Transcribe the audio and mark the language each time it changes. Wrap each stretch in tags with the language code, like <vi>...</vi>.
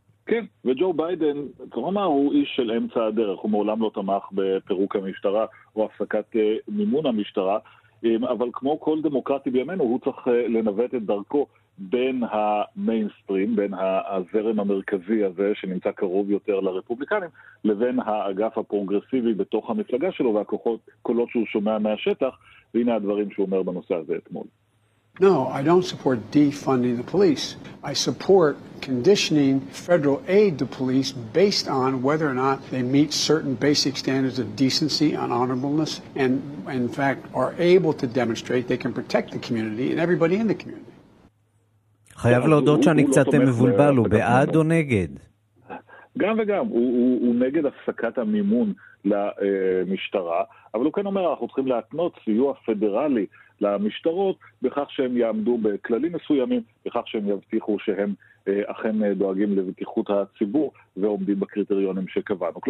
<he>כן, וג'ו ביידן, כלומר, הוא איש של אמצע הדרך, הוא מעולם לא תמך בפירוק המשטרה או הפסקת מימון המשטרה, אבל כמו כל דמוקרטי בימינו, הוא צריך לנווט את דרכו בין המיינסטרים, בין הזרם המרכזי הזה שנמצא קרוב יותר לרפובליקנים, לבין האגף הפרוגרסיבי בתוך המפלגה שלו והכוחות, קולות שהוא שומע מהשטח, והנה הדברים שהוא אומר בנושא הזה אתמול.</he> <en>No, I don't support defunding the police. I support conditioning federal aid to police based on whether or not they meet certain basic standards of decency and honorableness and in fact are able to demonstrate they can protect the community and everybody in the community.</en> <he>חייב להודות שאני קצת מבולבל, הוא בעד או נגד? גם וגם, הוא נגד הפסקת המימון למשטרה, אבל הוא כן אומר, אנחנו צריכים להתנות סיוע פדרלי למשטרות, בכך שהם יעמדו בכללים מסוימים, בכך שהם יבטיחו שהם אכן דואגים לבטיחות הציבור ועומדים בקריטריונים שקבענו.</he>